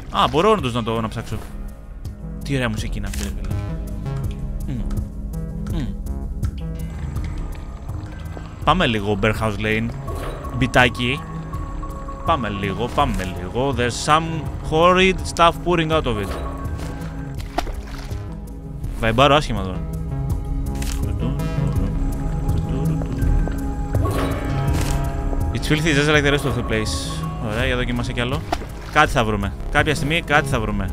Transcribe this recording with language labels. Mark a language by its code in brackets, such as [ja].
[el] Μπορώ όντως να το να ψάξω. Τι ωραία μουσική είναι αυτή, ρε φίλε. Πάμε λίγο, Warehouse Lane. Μπιτάκι. Πάμε λίγο. [en] There's some horrid stuff pouring out of it. [el] Βαϊμπάρω άσχημα τώρα. [en] It's filthy, just like the rest of the place. [el] Ωραία, για δοκιμάσαι κι άλλο. Κάτι θα βρούμε. Κάποια στιγμή κάτι θα βρούμε.